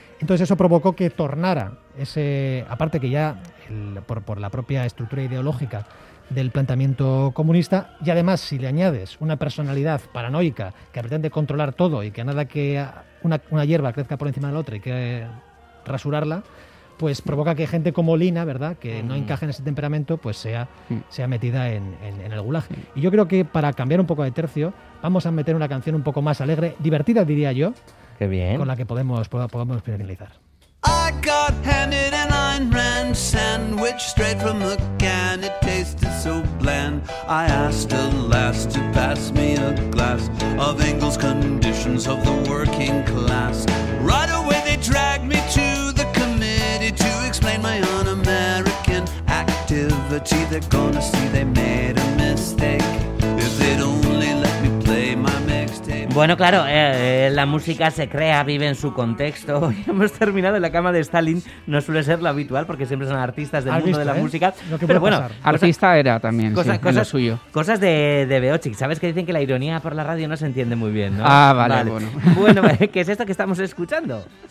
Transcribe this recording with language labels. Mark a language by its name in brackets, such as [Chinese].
[Spanish] Entonces eso provocó que tornara ese, aparte que ya por la propia estructura ideológica del planteamiento comunista, y además si le añades una personalidad paranoica que pretende controlar todo y que nada que una hierba crezca por encima de la otra y que rasurarla, pues provoca que gente como Lina, ¿verdad?, que no encaje en ese temperamento, pues sea metida en el gulag. Y yo creo que para cambiar un poco de tercio, vamos a meter una canción un poco más alegre, divertida diría yo. Qué bien. Con la que podemos finalizar. [English] I got handed an Ayn Rand sandwich straight from the can. It tasted so bland. I asked a lass to pass me a glass of Engels Conditions of the Working Class. Right away they dragged me to the committee to explain my un-American. poverty, they're gonna see they made a mistake. If they'd only let me play my mixtape. [Spanish] Bueno, claro, la música se crea, vive en su contexto. Hoy hemos terminado en la cama de Stalin. No suele ser lo habitual, porque siempre son artistas del mundo de la música. Pero bueno, artista era también, cosas lo suyo. Cosas de Beochik. ¿Sabes que dicen que la ironía por la radio no se entiende muy bien, ¿no? Ah, vale. Bueno, ¿qué es esto que estamos escuchando?